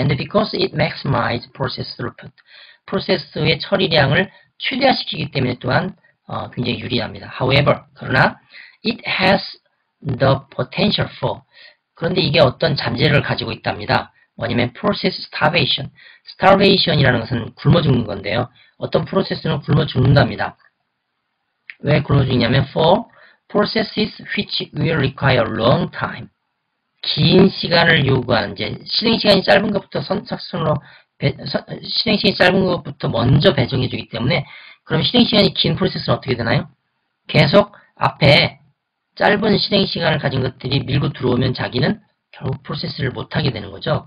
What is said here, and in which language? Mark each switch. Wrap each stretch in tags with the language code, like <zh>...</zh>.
<en>And because it maximizes process throughput,</en> <ko>프로세스의 처리량을 최대화시키기 때문에 또한 굉장히 유리합니다.</ko> <en>However,</en> <ko>그러나</ko> <en>it has the potential for,</en> <ko>그런데 이게 어떤 잠재력을 가지고 있답니다. 뭐냐면 process starvation. starvation이라는 것은 굶어 죽는 건데요. 어떤 프로세스는 굶어 죽는답니다. 왜 굶어 죽냐면</ko> <en>for processes which will require long time.</en> <ko>긴 시간을 요구하는, 이제 실행 시간이 짧은 것부터 선착순으로 실행 시간이 짧은 것부터 먼저 배정해 주기 때문에 그럼 실행 시간이 긴 프로세스는 어떻게 되나요? 계속 앞에 짧은 실행 시간을 가진 것들이 밀고 들어오면 자기는 결국 프로세스를 못하게 되는 거죠.</ko>